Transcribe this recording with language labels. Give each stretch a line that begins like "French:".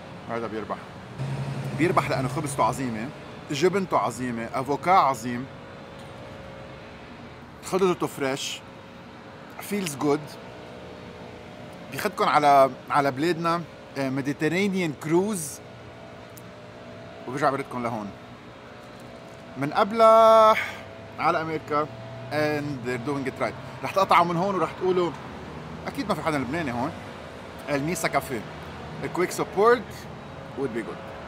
Arabic: هذا بيربح لانه خبزته عظيمه, جبنته عظيمه, افوكاد عظيم, خضرته فريش,
English: Feels good.
Arabic: بيخدكم على بلادنا ميديترينيان كروز, وبرجع بردكم لهون. من قبلها على امريكا
English: and they're doing it right.
Arabic: رح تقطعوا من هون ورح تقولوا اكيد ما في حدا لبناني هون. الميسا كافيه الكويك سبورت
English: would be good.